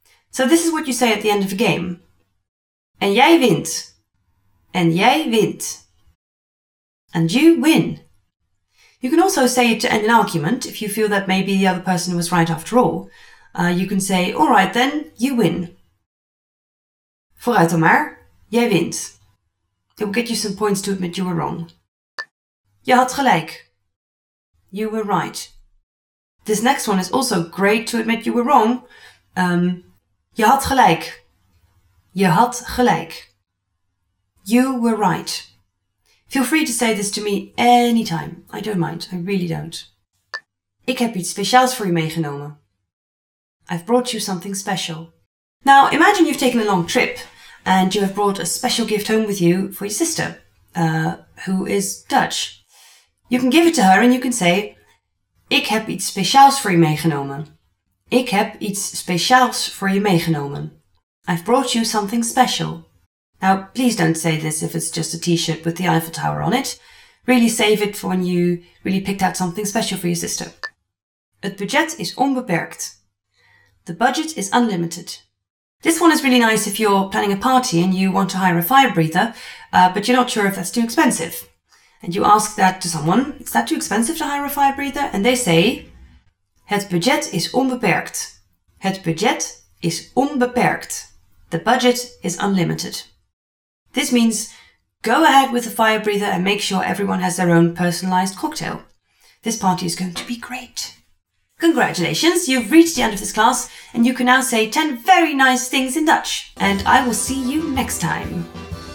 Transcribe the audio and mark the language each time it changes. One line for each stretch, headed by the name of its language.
English: So this is what you say at the end of a game.
Dutch: En jij wint. En jij wint.
English: And you win. You can also say it to end an argument if you feel that maybe the other person was right after all. You can say, all right then, you win.
Dutch: Vooruit dan maar, jij wint.
English: It will get you some points to admit you were wrong.
Dutch: Je had gelijk.
English: You were right. This next one is also great to admit you were wrong.
Dutch: Je had gelijk. Je had gelijk.
English: You were right. Feel free to say this to me anytime. I don't mind. I really don't.
Dutch: Ik heb iets speciaals voor je meegenomen.
English: I've brought you something special. Now, imagine you've taken a long trip and you have brought a special gift home with you for your sister, who is Dutch. You can give it to her and you can say,
Dutch: Ik heb iets speciaals voor je meegenomen. Ik heb iets speciaals voor je meegenomen.
English: I've brought you something special. Now, please don't say this if it's just a t-shirt with the Eiffel Tower on it. Really save it for when you really picked out something special for your sister.
Dutch: Het budget is onbeperkt.
English: The budget is unlimited. This one is really nice if you're planning a party and you want to hire a fire breather, but you're not sure if that's too expensive. And you ask that to someone, is that too expensive to hire a fire breather? And they say,
Dutch: Het budget is onbeperkt. Het budget is onbeperkt.
English: The budget is unlimited. This means go ahead with the fire breather and make sure everyone has their own personalized cocktail. This party is going to be great. Congratulations, you've reached the end of this class and you can now say 10 very nice things in Dutch. And I will see you next time.